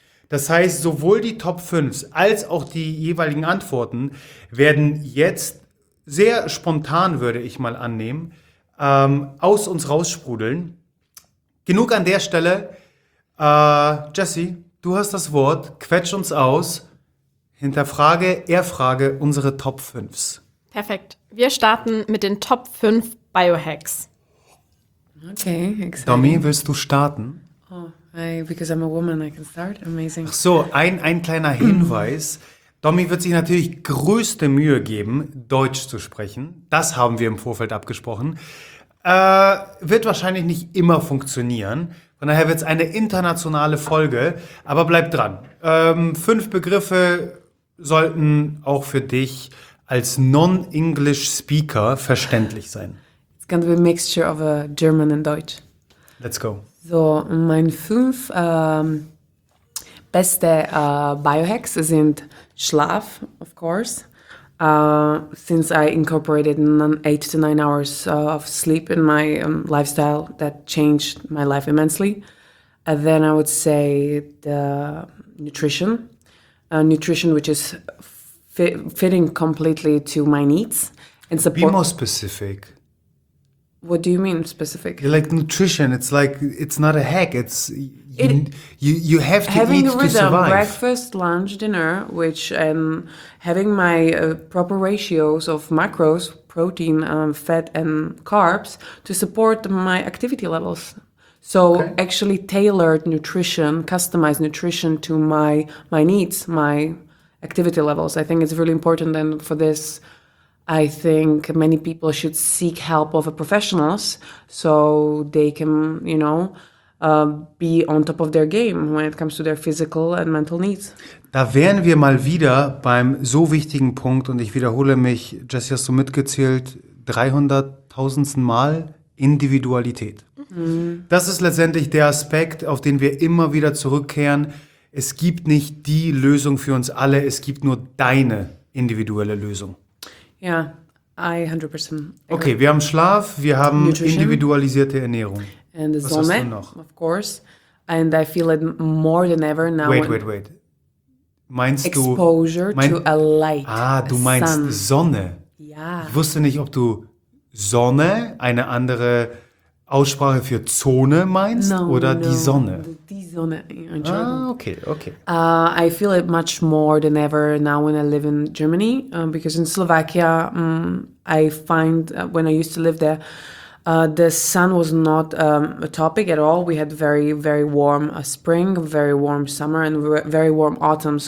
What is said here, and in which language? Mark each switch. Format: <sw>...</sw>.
<de>Das heißt, sowohl die Top 5 als auch die jeweiligen Antworten werden jetzt sehr spontan, würde ich mal annehmen, aus uns raussprudeln. Genug an der Stelle. Jessie, du hast das Wort, quetsch uns aus, hinterfrage, erfrage unsere Top 5. Perfekt. Wir starten mit den Top 5 Biohacks.</de> <en>Okay, exciting.</en> <de>Domi, willst du starten?</de> <en>Oh, because I'm a woman, I can start. Amazing.</en> <de>Ach so, ein kleiner Hinweis. Domi wird sich natürlich größte Mühe geben, Deutsch zu sprechen. Das haben wir im Vorfeld abgesprochen. Wird wahrscheinlich nicht immer funktionieren. Von daher wird es eine internationale Folge, aber bleib dran. 5 Begriffe sollten auch für dich als Non-English Speaker verständlich sein.</de> <en>It's gonna be a mixture of a German and Deutsch. Let's go.</en> <de>So, meine 5 beste Biohacks sind Schlaf, of course.</de> <en>Since I incorporated 8 to 9 hours of sleep in my lifestyle, that changed my life immensely. And then I would say the nutrition. Nutrition which is fitting completely to my needs and support. Be more specific. What do you mean specific? Like nutrition, it's like, it's not a hack, it's... You have to eat to survive. Having a rhythm, breakfast, lunch, dinner, which having my proper ratios of macros, protein, fat, and carbs to support my activity levels. So okay. actually tailored nutrition, customized nutrition to my needs, my activity levels. I think it's really important. And for this, I think many people should seek help of a professionals so they can, you know, be on top of their game when it comes to their physical and mental needs.</en> <de>Da wären wir mal wieder beim so wichtigen Punkt, und ich wiederhole mich, Jessie, hast du mitgezählt, 300.000sten Mal Individualität. Mhm. Das ist letztendlich der Aspekt, auf den wir immer wieder zurückkehren. Es gibt nicht die Lösung für uns alle, es gibt nur deine individuelle Lösung.</de> <en>Ja, yeah, I 100%.</en> <de>Okay, wir haben Schlaf, wir haben Nutrition, individualisierte Ernährung.</de> <en>And the Sonne,</en> <de>was hast du noch?</de> <en>Of course. And I feel it more than ever now.</en> <de>Wait. Meinst</de> <en>exposure Exposure mein, to a light.</en> <de>Ah, du meinst</de> <en>sun.</en> <de>Sonne. Ja. Ich wusste nicht, ob du Sonne, eine andere Aussprache für Zone meinst,</de> <en>no,</en> <de>oder</de> <en>no,</en> <de>die Sonne. Die Sonne. Ah, okay.</de> <en>I feel it much more than ever now when I live in Germany, because in Slovakia, I find, when I used to live there, the sun was not a topic at all. We had very, very warm spring, very warm summer, and very warm autumn.</en>